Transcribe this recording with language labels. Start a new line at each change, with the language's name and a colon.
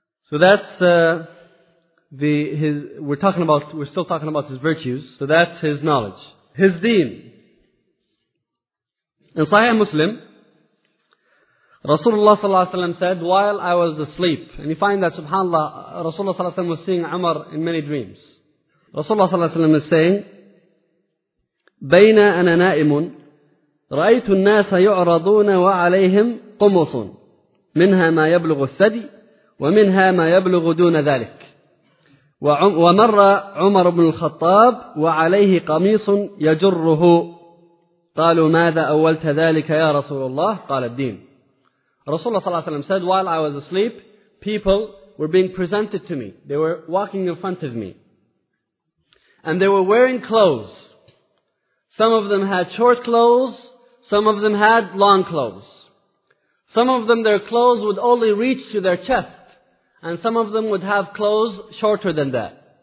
English: So that's we're still talking about his virtues. So that's his knowledge. His deen. In Sahih Muslim, Rasulullah sallallahu alayhi wa sallam said, while I was asleep, and you find that subhanAllah, Rasulullah sallallahu alayhi wa sallam was seeing Umar in many dreams. Rasulullah sallallahu alayhi wa sallam is saying,
Arabic: بين أنا نائم رأيت الناس يعرضون وعليهم قمص منها ما يبلغ الثدي ومنها ما يبلغ دون ذلك ومر عمر بن الخطاب وعليه قميص يجره قالوا ماذا أولت ذلك يا رسول الله قال الدين. رسول الله صلى الله عليه وسلم
English: said, while I was asleep, people were being presented to me. They were walking in front of me. And they were wearing clothes. Some of them had short clothes, some of them had long clothes. Some of them, their clothes would only reach to their chest, and some of them would have clothes shorter than that.